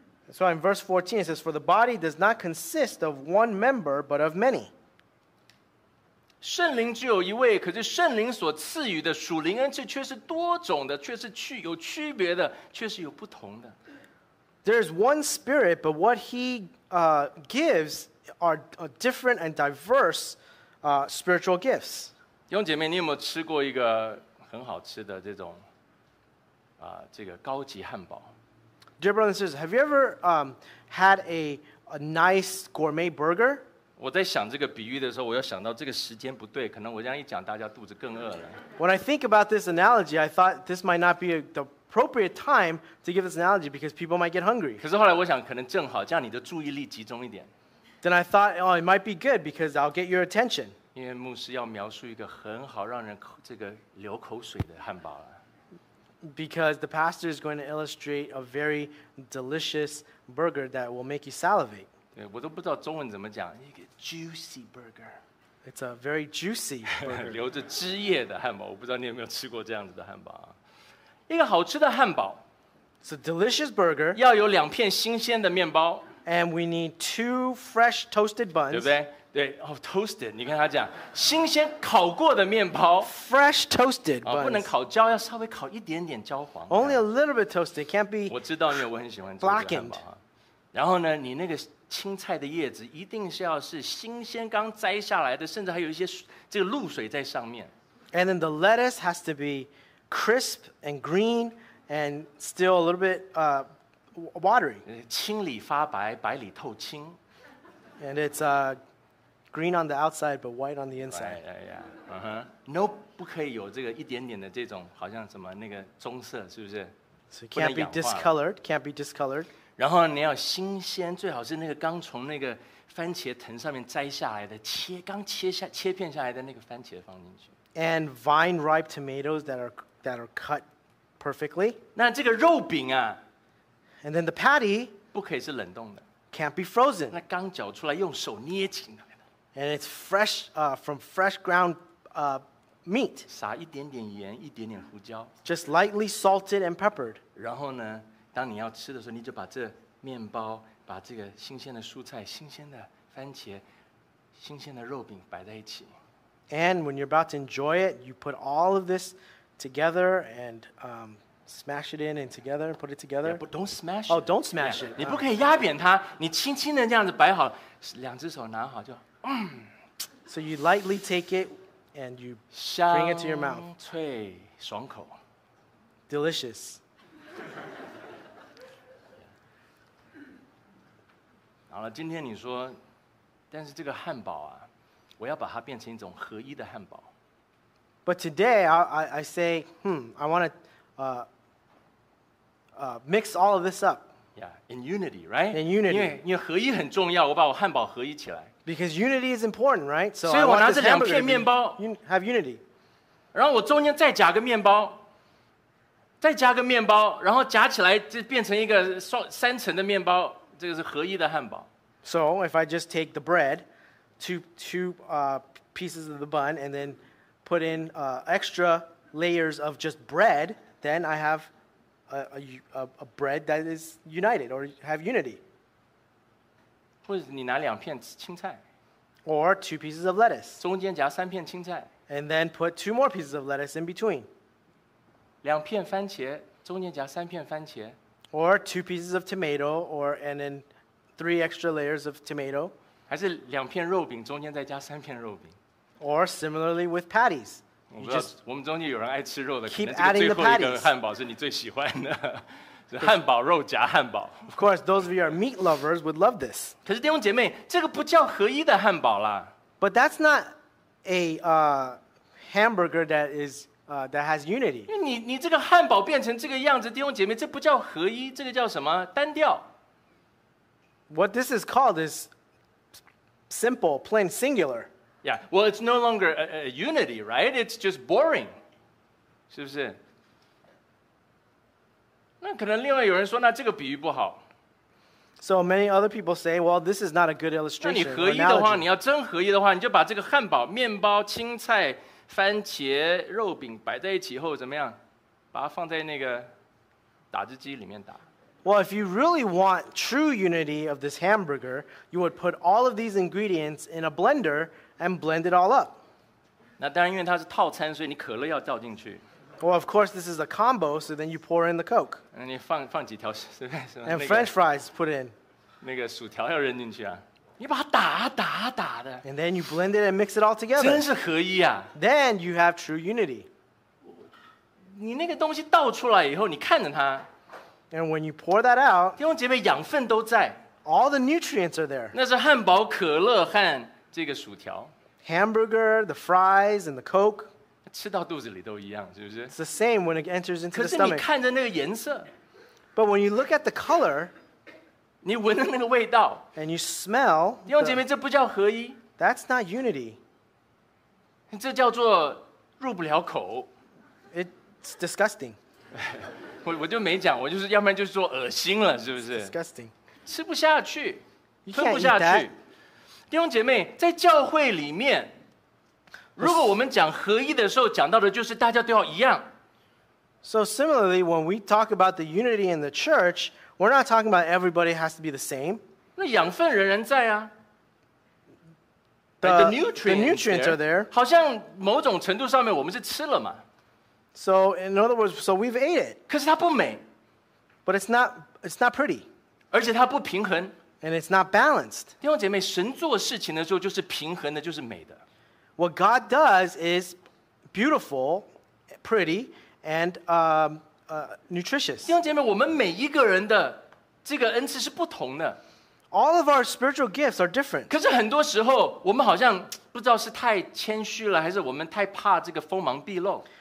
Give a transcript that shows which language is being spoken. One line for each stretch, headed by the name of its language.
English: So in verse 14 it says, For the body does not consist of one member, but of many.
Chinese: 圣灵只有一位，可是圣灵所赐予的属灵恩赐却是多种的，却是有区别的，却是有不同的。
English: There is one spirit, but what he gives are different and diverse spiritual gifts.
Chinese: 弟兄姐妹，你有没有吃过一个很好吃的这种这个高级汉堡？
English: Dear brothers and sisters, have you ever had a nice gourmet burger?
Chinese: 我在想这个比喻的时候，我又想到这个时间不对，可能我这样一讲，大家肚子更饿了。
English: When I think about this analogy, I thought this might not be the appropriate time to give this analogy because people might get hungry.
Chinese: 可是后来我想，可能正好，这样你的注意力集中一点。
English: Then I thought, oh, it might be good because I'll get your attention.
Chinese: 因为牧师要描述一个很好让人这个流口水的汉堡了。
English: Because the pastor is going to illustrate a very delicious burger that will make you salivate.
Chinese: 对，我都不知道中文怎么讲，一个
English: juicy burger. It's a very juicy burger.
Chinese: 流着汁液的汉堡，我不知道你有没有吃过这样子的汉堡。一个好吃的汉堡
English: ，It's a delicious burger.
Chinese: 要有两片新鲜的面包
English: ，And we need two fresh toasted buns.
Chinese: 对不对？对，哦 ，
English: toasted，
Chinese: 你跟他讲，新鲜烤过的面包
English: ，fresh toasted，
Chinese: 不能烤焦，要稍微烤一点点焦黄
English: ，only a little bit toasted， can't be。
Chinese: 我知道，因为我很喜欢吃这个汉堡。然后呢，你那个青菜的叶子一定是要是新鲜刚摘下来的，甚至还有一些这个露水在上面。
English: And then the lettuce has to be crisp and green and still a little bit watery.
Chinese: 青里发白，白里透青。
English: And it's green on the outside, but white on the inside. Right, yeah, yeah.
Chinese: No, 不可以有这个一点点的这种，好像什么那个棕色，是不是？
English: So can't be discolored. Can't be discolored.
Chinese: 然后你要新鲜，最好是那个刚从那个番茄藤上面摘下来的，切片下来的那个番茄放进去。
English: And vine-ripe tomatoes that are cut perfectly.
Chinese: 那这个肉饼啊
English: ，and then the patty
Chinese: 不可以是冷冻的
English: ，can't be frozen.
Chinese: 那刚绞出来，用手捏紧的。
English: And it's fresh from fresh ground meat.
Chinese: 撒一点点盐，一点点胡椒。
English: Just lightly salted and peppered.
Chinese: 然后呢，当你要吃的时候，你就把这面包、把这个新鲜的蔬菜、新鲜的番茄、新鲜的肉饼摆在一起。
English: And when you're about to enjoy it, you put all of this together and smash it in and together, put it together. Yeah, but don't smash. Oh, don't smash it.
Chinese: 你不可以压扁它，你轻轻的这样子摆好，两只手拿好就。
English: So you lightly take it and you bring it to your mouth.
Chinese: 香脆爽口
English: Delicious.
Chinese: 好了，今天你说，但是这个汉堡啊，我要把它变成一种合一的汉堡。
English: But today I say, I want to mix all of this up. Yeah, in unity, right? In unity.
Chinese: 因为合一很重要，我把我汉堡合一起来。
English: Because unity is important, right? So I want this hamburger to have unity.
Chinese: 然后我中间再夹个面包，再夹个面包，然后夹起来就变成一个三层的面包，这个是合一的汉堡。
English: So if I just take the bread, two pieces of the bun, and then put in extra layers of just bread, then I have a bread that is united or have unity.
Chinese: 或者你拿两片青菜
English: or two pieces of lettuce.
Chinese: 中间夹三片青菜。
English: And then put two more pieces of lettuce in between.
Chinese: 两片番茄，中间夹三片番茄。
English: Or two pieces of tomato, or and then three extra layers of tomato.
Chinese: 还是两片肉饼，中间再加三片肉饼。
English: Or similarly with patties.
Chinese: 我不知道，我们中间有人爱吃肉的，可能这个最后一个汉堡是你最喜欢的。汉堡肉夹汉堡。
English: Of course, those of you who are meat lovers would love this.
Chinese: 可是弟兄姐妹，这个不叫合一的汉堡啦。
English: But that's not a hamburger that is that has unity.
Chinese: 因为你这个汉堡变成这个样子，弟兄姐妹，这不叫合一，这个叫什么？单调。
English: What this is called is simple, plain, singular. Yeah. Well, it's no longer a unity, right? It's just boring.
Chinese: 是不是？那可能另外有人说，那这个比喻不好。
English: So many other people say, well, this is not a good illustration.
Chinese: 那你合一的话，你要真合一的话，你就把这个汉堡、面包、青菜、番茄、肉饼摆在一起后怎么样？把它放在那个打汁机里面打。
English: Well, if you really want true unity of this hamburger, you would put all of these ingredients in a blender and blend it all up.
Chinese: 那当然，因为它是套餐，所以你可乐要倒进去。
English: Well, of course, this is a combo, so then you pour in the Coke.
Chinese: And 你放几条，是不是？
English: And French fries put in.
Chinese: 那个薯条要扔进去啊！你把它打打打的。
English: And then you blend it and mix it all together.
Chinese: 真是合一啊！
English: Then you have true unity.
Chinese: 你那个东西倒出来以后，你看着它。
English: And when you pour that out,
Chinese: 弟兄姐妹，养分都在。
English: All the nutrients are there.
Chinese: 那是汉堡、可乐和这个薯条。
English: Hamburger, the fries, and the Coke.
Chinese: 吃到肚子里都一样，是不是？
English: It's the same when it enters into the stomach.
Chinese: 可是你看着那个颜色，
English: but when you look at the color,
Chinese: 你闻着那个味道，
English: and you smell,
Chinese: 弟兄姐妹，这不叫合一，
English: that's not unity.
Chinese: 这叫做入不了口，
English: it's disgusting.
Chinese: 我就没讲，我就是要不然就是说恶心了，是不是？
English: It's disgusting.
Chinese: 吃不下去，
English: you can't
Chinese: 吞不下去。
English: eat that.
Chinese: 弟兄姐妹，在教会里面。如果我们讲合一的时候，讲到的就是大家都要一样。
English: So similarly, when we talk about the unity in the church, we're not talking about everybody has to be the same.
Chinese: 那养分仍然在啊。
English: The nutrients are there.
Chinese: 好像某种程度上面我们是吃了嘛。
English: So in other words, so we've ate it.
Chinese: 可是它不美。
English: But it's not pretty.
Chinese: 而且它不平衡。
English: And it's not balanced.
Chinese: 弟兄姐妹，神做事情的时候就是平衡的，就是美的。
English: What God does is beautiful, pretty, and nutritious.
Chinese: 弟兄姐妹，我们每一个人的这个恩赐是不同的。
English: All of our spiritual gifts are different.
Chinese: 可是很多时候，我们好像不知道是太谦虚了，还是我们太怕这个锋芒毕露。